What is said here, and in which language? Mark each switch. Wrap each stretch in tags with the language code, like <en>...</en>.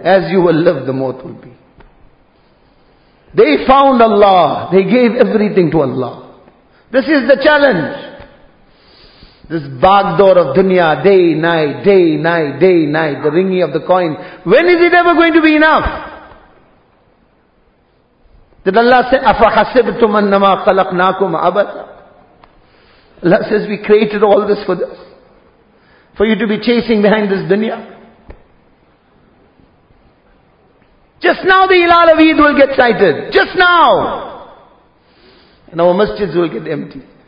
<en>As you will live, the mort will be. They found Allah. They gave everything to Allah. This is the challenge. This backdoor of dunya, day, night, day, night, day, night, the ringing of the coin. When is it ever going to be enough? Did Allah say,</en> <ar>أَفَحَسِبْتُمْ أَنَّمَا خَلَقْنَاكُمْ أَبَدًا?</ar> <en>Allah says, we created all this for this. For you to be chasing behind this dunya. Just now the Hilal of Eid will get sighted. Just now. And our masjids will get empty.</en>